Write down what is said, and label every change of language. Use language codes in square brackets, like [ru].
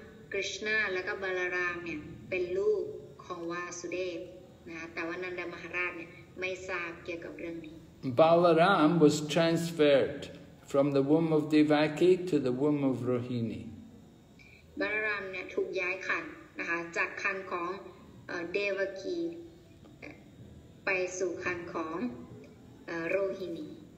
[th] Krishna และก็ Balaram เนี่ยเป็นลูกของ Vasudev นะแต่ว่า Nanda Maharaj เนี่ยไม่ทราบเกี่ยวกับเรื่องนี้ [en] Balaram was transferred from the womb of Devaki to the womb of Rohini [th] Balaram เนี่ยถูกย้ายคันนะคะจากคันของ Devaki ไปสู่คันของ Rohini